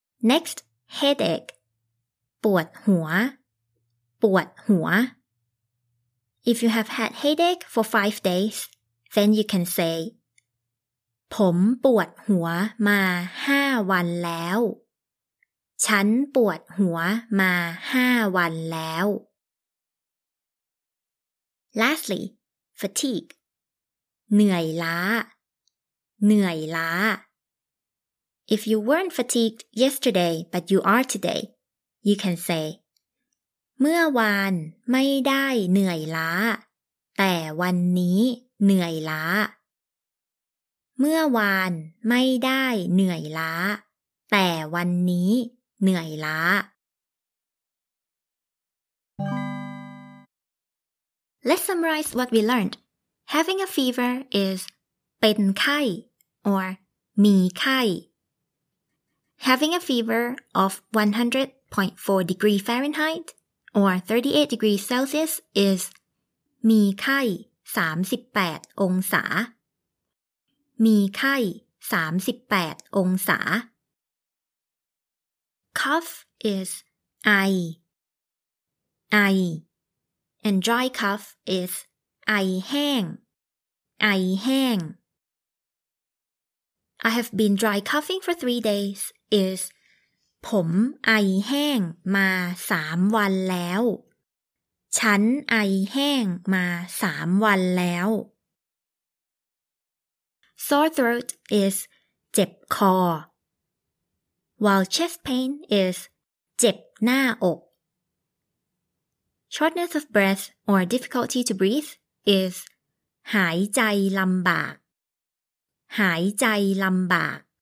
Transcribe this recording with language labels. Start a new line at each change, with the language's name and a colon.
English: Next headache ปวดหัวปวดหัว If you have had headache for 5 days then you can say
Thai: ผมปวดหัวมา 5 วันแล้ว ฉันปวดหัวมา 5 วันแล้ว
English: Lastly, fatigue.
Thai: เหนื่อยล้าเหนื่อยล้า
English: If you weren't fatigued yesterday but you are today, you can say
Thai: เมื่อวานไม่ได้เหนื่อยล้าแต่วันนี้เหนื่อยล้าเมื่อวานไม่ได้เหนื่อยล้าแต่วันนี้เหนื่อยล้า
English: Let's summarize what we learned. Having a fever is เป็นไข้ or มีไข้ Having a fever of 100.4 degree Fahrenheit or 38 degrees Celsius is
Thai: มีไข้38องศามีไข้38องศา
English: Cough is
Thai: ไอไ
English: อ and dry cough is
Thai: ไอแห้งไอแห้ง
English: I have been dry coughing for 3 days is
Thai: ผมไอแห้งมา3วันแล้วฉันไอแห้งมา3วันแล้ว
English: Sore throat is
Thai: เจ็บคอ
English: While chest pain is
Thai: เจ็บหน้าอก
English: Shortness of breath or difficulty to breathe is
Thai: หายใจลำบากหายใจลำบาก